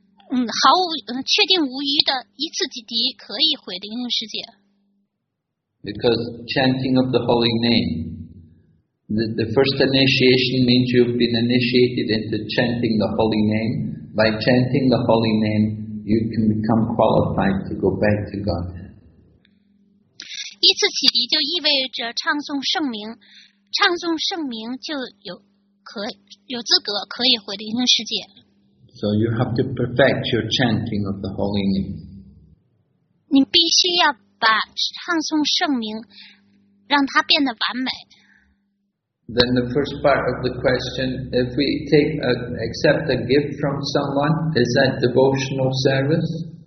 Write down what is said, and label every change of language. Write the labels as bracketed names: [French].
[Chinese] 确定无疑的一次启迪可以毁灵性世界。 [English] Because chanting of the holy name, the first initiation means you've been initiated into chanting the holy name. By chanting the holy name, you can become qualified to go back to God. [Chinese] 一次启迪就意味着唱诵圣名，唱诵圣名就有资格可以回灵性世界。 [English] So you have to perfect your chanting of the holy name. [Chinese] 你必须要把唱诵圣名让它变得完美。 [English] Then the first part of the question, if we accept a gift from someone, is that devotional service?